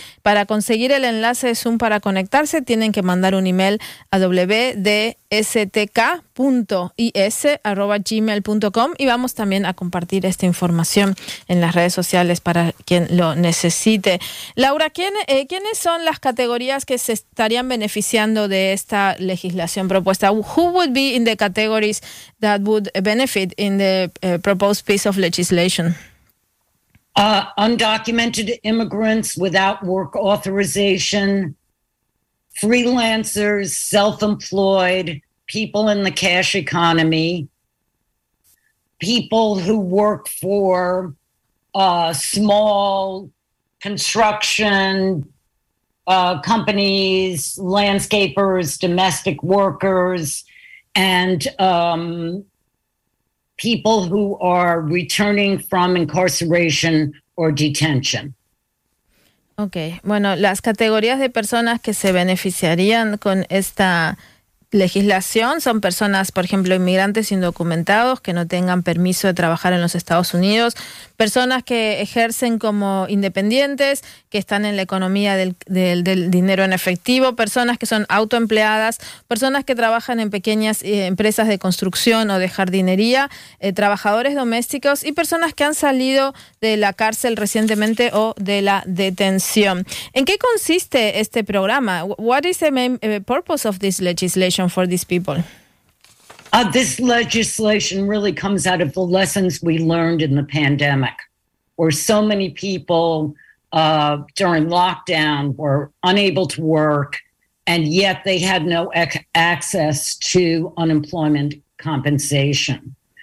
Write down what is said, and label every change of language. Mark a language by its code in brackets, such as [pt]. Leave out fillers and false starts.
[es] Para conseguir el enlace de Zoom para conectarse, tienen que mandar un email a wdstk.is@gmail.com y vamos también a compartir esta información en las redes sociales para quien lo necesite. Laura, ¿quiénes son las categorías que se estarían beneficiando de esta legislación propuesta? [en] Who would be in the categories that would benefit in the proposed piece of legislation? Undocumented immigrants without work authorization, freelancers, self-employed, people in the cash economy, people who work for small construction companies, landscapers, domestic workers, and people who are returning from incarceration or detention. Okay. [es] Bueno, las categorías de personas que se beneficiarían con esta legislación son personas, por ejemplo, inmigrantes indocumentados que no tengan permiso de trabajar en los Estados Unidos, personas que ejercen como independientes, que están en la economía del dinero en efectivo, personas que son autoempleadas, personas que trabajan en pequeñas empresas de construcción o de jardinería, trabajadores domésticos y personas que han salido de la cárcel recientemente o de la detención. ¿En qué consiste este programa? [en] What is the main purpose of this legislation for these people? This legislation really comes out of the lessons we learned in the pandemic, where so many people during lockdown were unable to work, and yet they had no access to unemployment compensation.